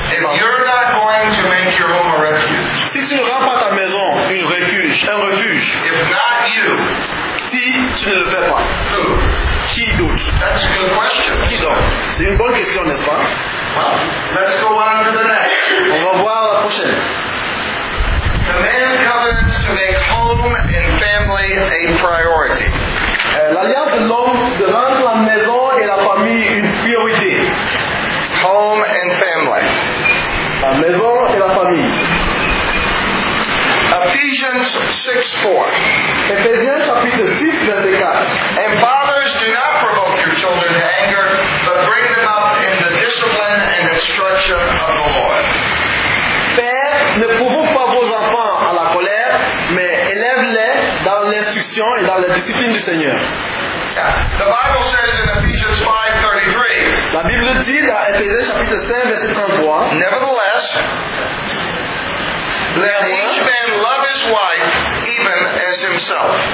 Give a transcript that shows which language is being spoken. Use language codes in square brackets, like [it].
[en] If you're not going to make your home a refuge, [fr] si tu ne rends pas ta maison une refuge, un refuge, [en] if not you, [fr] si tu ne le fais pas, [en] who? [fr] Qui d'autre? [en] That's a good question. [fr] Qui d'autre? C'est une bonne question, n'est-ce pas? [en] Well, let's go on to the next. [fr] On va voir la prochaine. [en] Command covenants to make home and family a priority. [fr] L'alliance de l'homme de rendre la maison et la famille une priorité. [en] Home and family. [fr] La maison et la famille. [en] Ephesians 6:4. [fr] Ephésiens chapitre 6, verset 4. [en] And fathers, do not provoke your children to anger, but bring them up in the discipline and instruction of the Lord. [fr] Père, ne provoque pas vos enfants à la colère, mais élève-les dans l'instruction et dans la discipline du Seigneur. [en] The Bible says in Ephesians 5:33. [fr] La Bible dit dans Ephésiens chapitre 5, verset 33. [en] Nevertheless, let each man love his wife even as himself.